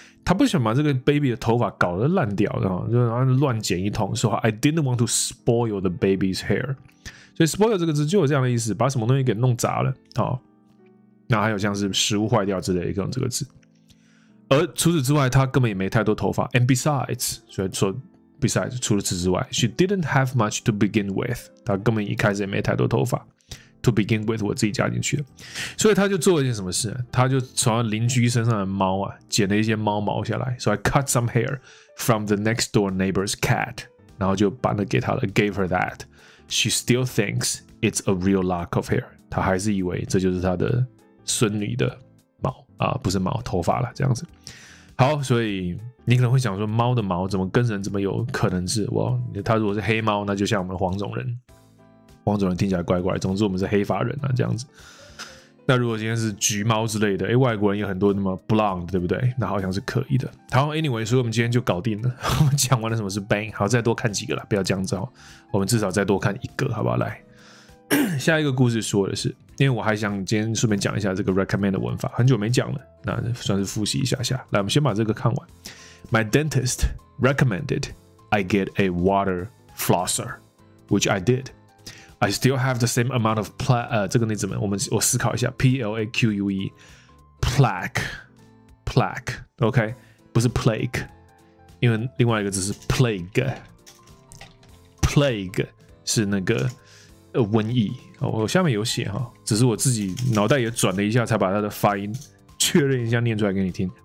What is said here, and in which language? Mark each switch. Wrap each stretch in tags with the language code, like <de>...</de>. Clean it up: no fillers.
<zh>他不想把这个 baby 的头发搞得烂掉，然后乱剪一通，说</zh> <en>I didn't want to spoil the baby's hair。</en> <zh>所以 spoil 这个字就有这样的意思，把什么东西给弄砸了啊、哦。那还有像是食物坏掉之类的这种这个字。而除此之外，他根本也没太多头发。</zh> <en>And besides，</en> <zh>所以说。</zh> <en>Besides，</en> <zh>除了此之外</zh> <en>，she didn't have much to begin with。</en> <zh>她根本一开始也没太多头发 ，</zh> <en>to begin with，</en> <zh>我自己加进去的。所以她就做了一件什么事？她就从邻居身上的猫啊，剪了一些猫毛下来。</zh> <en>So I cut some hair from the next door neighbor's cat，</en> <zh>然后就把那给她了</zh> <en>，gave her that。 She still thinks it's a real lock of hair。</en> <zh>她还是以为这就是她的孙女的毛。不是毛，头发啦，这样子。好，所以你可能会想说，猫的毛怎么跟人怎么有可能是？哇，它如果是黑猫，那就像我们的黄种人，黄种人听起来怪怪。总之，我们是黑发人啊，这样子。那如果今天是橘猫之类的，外国人有很多那么 blonde， 对不对？那好像是可以的。好 ，anyway， 所以我们今天就搞定了。我们讲完了什么是 bang， 好，再多看几个了，不要这样子哦。我们至少再多看一个，好不好？来，下一个故事说的是，因为我还想今天顺便讲一下这个 recommend 的文法，很久没讲了，那算是复习一下下。来，我们先把这个看完。</zh> <en>My dentist recommended I get a water flosser, which I did. I still have the same amount of plaque.</en> <zh>这个例子们，我思考一下。</zh> <en>plaque, plaque, plaque.</en> <zh>OK, 不是 plague, 因为另外一个字是 plague. Plague 是那个瘟疫。我下面有写哈，只是我自己脑袋也转了一下，才把它的发音确认一下念出来给你听。</zh>